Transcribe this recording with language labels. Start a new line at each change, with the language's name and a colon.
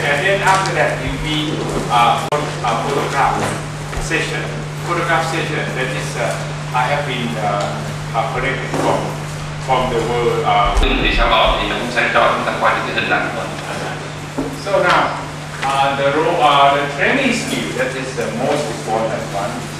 English: And then after that, we a photograph session. Photograph session, that is, I have been collected from the world.
Vietnamese: Thì sau đó thì chúng sẽ cho chúng ta quay những cái hình ảnh của mình.
English: So now, the training skill, that is the most important one.